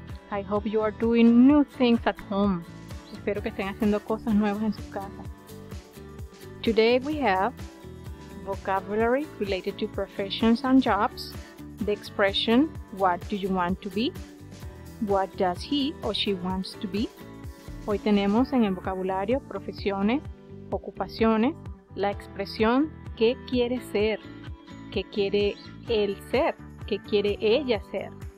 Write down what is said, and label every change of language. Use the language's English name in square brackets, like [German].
[English] I hope you are doing new things at home. [Spanish] Espero que estén haciendo cosas nuevas en sus casas. [English] Today we have vocabulary related to professions and jobs, the expression what do you want to be? What does he or she wants to be? [Spanish] Hoy tenemos en el vocabulario profesiones, ocupaciones, la expresión qué quiere ser, qué quiere él ser, qué quiere ella ser.